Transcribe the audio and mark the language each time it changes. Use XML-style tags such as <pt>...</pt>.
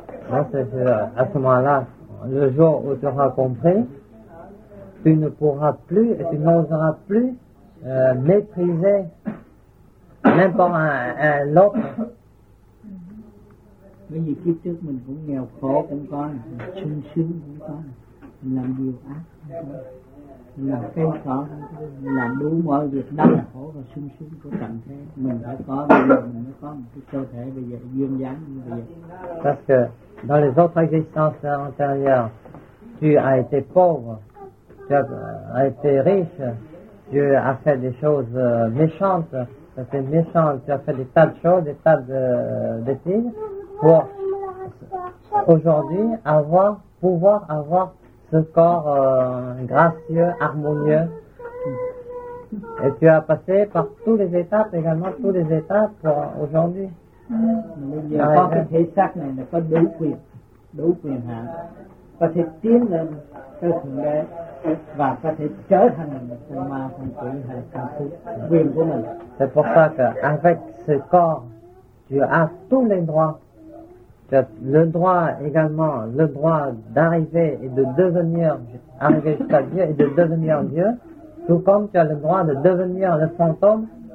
<fr>Là, c'est à ce moment-là, le jour où tu auras compris, tu ne pourras plus et tu n'oseras plus mépriser n'importe un autre.</fr> <vi>Bởi vì kiếp trước mình cũng nghèo khổ cũng có, sung sướng cũng có, làm nhiều ác cũng có, là cây cỏ làm đủ mọi việc đau khổ và sung sướng của cảnh thế. Mình đã có bây giờ mình mới có một cái cơ thể bây giờ duyên dáng như bây giờ.</vi> <fr>Parce que dans les autres existences antérieures, tu as été pauvre, tu as été riche, tu as fait des choses méchantes, tu as fait méchant, tu as fait des tas de choses, des tas de bêtises, pour aujourd'hui avoir, pouvoir avoir ce corps gracieux, harmonieux. Et tu as passé par toutes les étapes également, toutes les étapes pour aujourd'hui.</fr> <vi>Mình giờ có cái thể xác này là có đủ quyền, đủ quyền hạn, có thể tiến lên tới thượng đế và có thể trở thành một con ma phong thủy hay cao thủ quyền của mình.</vi> <fr>C'est pour ça que avec ce corps, tu as tous les droits, tu as le droit également, le droit d'arriver et de devenir, arriver jusqu'à Dieu et de devenir Dieu, tout comme tu as le droit de devenir le fantôme.</fr>